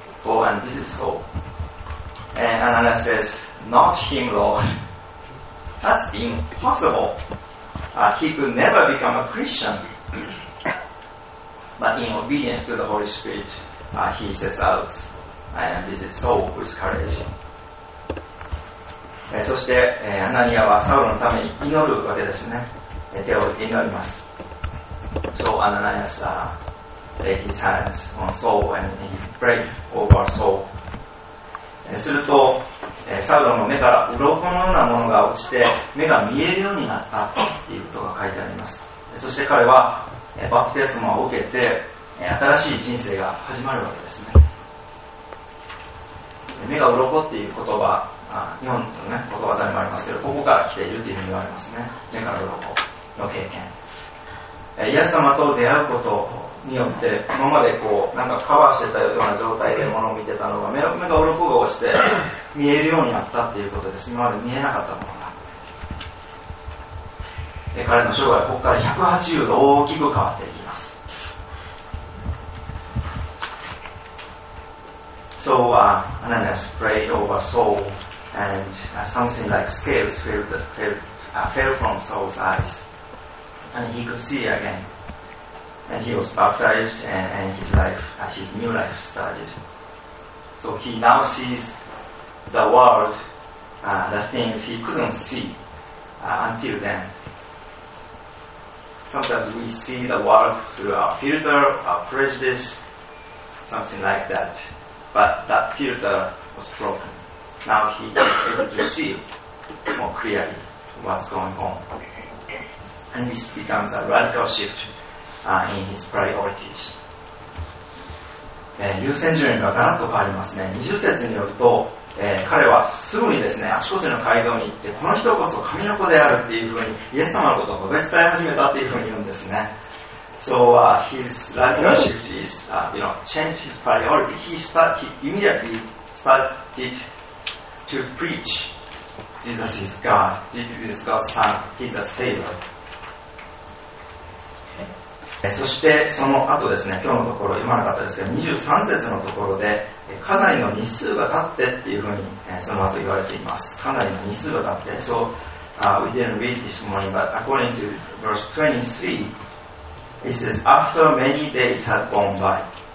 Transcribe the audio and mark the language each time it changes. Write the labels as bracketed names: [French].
[English] Go and visit Saul." And Ananias says, "Not him, Lord. That's impossible. He could never become a Christian." But in obedience to the Holy Spirit, he sets out. And this is Saul with courage. [Japanese] そして、アナニアはサウロのために祈るわけですね。手を祈ります。 [English] So Ananias laid his hands on Saul and he prayed over Saul. [Japanese] すると、サウロの目から鱗のようなものが落ちて、目が見えるようになったということが書いてあります。そして彼は、バプテスマを受けて、新しい人生が始まるわけですね。目が鱗っていう言葉、日本のね、言葉でもありますけど、ここから来ているっていうふうに言われますね。目から鱗の経験。イエス様と出会うことによって、今までこう、なんかカバーしてたような状態で物を見てたのが、目が鱗が落ちて、見えるようになったっていうことです。今まで見えなかったものが。彼の生涯、ここから180度大きく変わっていきます。 [English] So Ananias prayed over Saul, and something like scales fell from Saul's eyes, and he could see again. And he was baptized, and his new life started. So he now sees the world, the things he couldn't see until then. Sometimes we see the world through our filter, our prejudice, something like that. But that filter was broken. Now he is able to see more clearly what's going on. And this becomes a radical shift in his priorities. [Japanese] 優先順位がガラッと変わりますね。20節によると、彼はすぐにですね、あちこちの街道に行って、この人こそ神の子であるっていうふうにイエス様のことを述べ伝え始めたっていうふうに言うんですね。 [English] So his leadership is, you know, changed his priority. He started, he immediately started to preach. Jesus is God. Jesus is God's son. He's a savior. [Japanese] そしてその後ですね、今日のところ読まなかったですけど、23節のところでかなりの日数が経ってっていうふうにその後言われています。かなりの日数が経って、 [English] So we didn't read this morning, but according to verse 23 it says after many days had gone by.